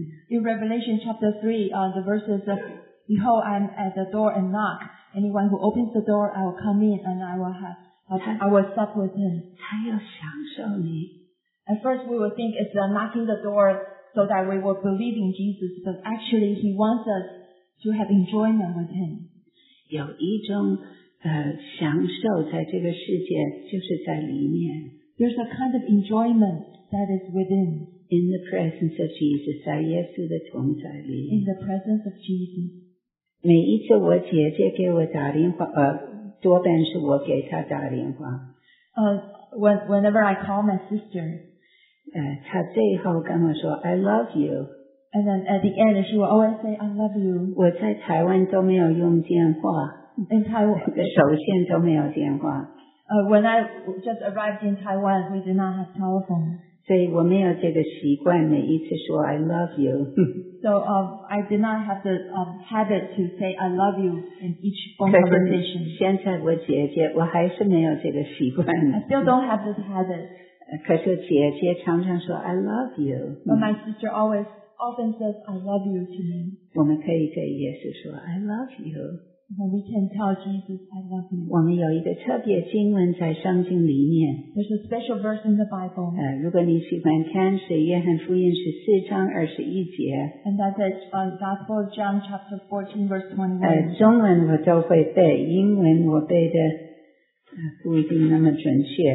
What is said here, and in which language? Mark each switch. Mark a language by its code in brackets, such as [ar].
[en] In Revelation chapter 3, the verses of Behold, I'm at the door and knock. Anyone who opens the door, I will come in and I will sup with him. [zh] 他要享受你。 [en] At first, we will think it's knocking the door so that we will believe in Jesus, but actually he wants us to have enjoyment with him. [zh] 有一种享受在这个世界就是在里面。 [en] There's a kind of enjoyment that is within. In the presence of Jesus, [zh] 在耶稣的同在里。 [en] In the presence of Jesus. [zh] 每一次我姐姐给我打电话多半是我给她打电话。 [en] Whenever I call my sister, [zh] 她最后跟我说 [en] I love you. And then at the end, she will always say, I love you. [zh] 我在台湾都没有用电话。 [en] In Taiwan, [zh] 首先都没有电话。 [en] When I just arrived in Taiwan, we did not have telephone. [zh] 所以我没有这个习惯，每一次说 [en] I love you. So, I did not have the habit to say I love you in each phone conversation. [zh] 现在我姐姐，我还是没有这个习惯。 [en] I still don't have this habit. [zh] 可是姐姐常常说 [en] I love you. But my sister always often says I love you to me. [zh] 我们可以跟耶稣说 [en] I love you. When we can tell Jesus, I love you. [zh] 我们有一个特别经文在圣经里面。 [en] There's a special verse in the Bible. [zh] 如果你喜欢看，是约翰福音十四章二十一节。 [en] And that is Gospel of John chapter 14 verse 21. [zh] 中文我都会背，英文我背的不一定那么准确。